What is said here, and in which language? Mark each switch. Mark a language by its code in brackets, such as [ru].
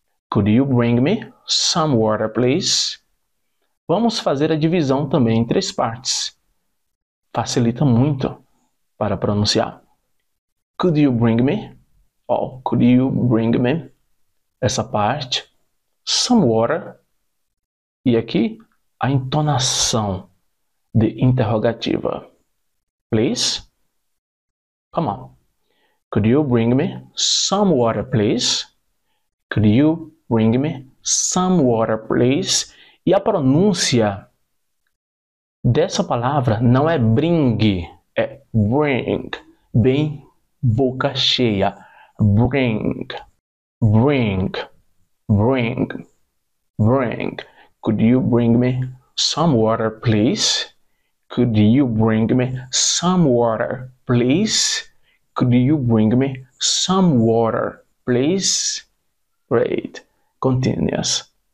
[en] Could you bring me some water, please? [pt] Vamos fazer a divisão também em três partes. Facilita muito para pronunciar. [en] Could you bring me? Oh, could you bring me? [pt] Essa parte. [en] Some water. [pt] E aqui, a entonação de interrogativa. [en] Please? Come on. Could you bring me some water, please? Could you bring me some water, please? [pt] E a pronúncia dessa palavra não é bring, é bring, bem boca cheia. [en] Bring, bring, bring, bring. Could you bring me some water, please? Could you bring me some water, please? Could you bring me some water, please? Great. Continuous.